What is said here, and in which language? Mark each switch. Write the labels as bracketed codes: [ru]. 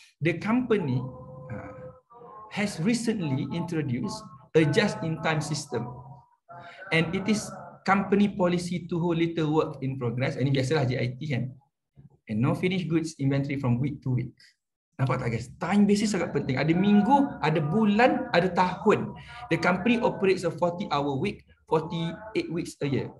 [en] The company has recently introduced a just-in-time system. And it is company policy to hold little work in progress. [ms] Ini biasalah JIT kan. [en] And no finished goods inventory from week to week. [ms] Nampak tak guys? Time basis sangat penting. Ada minggu, ada bulan, ada tahun. [en] The company operates a 40-hour week, 48 weeks a year.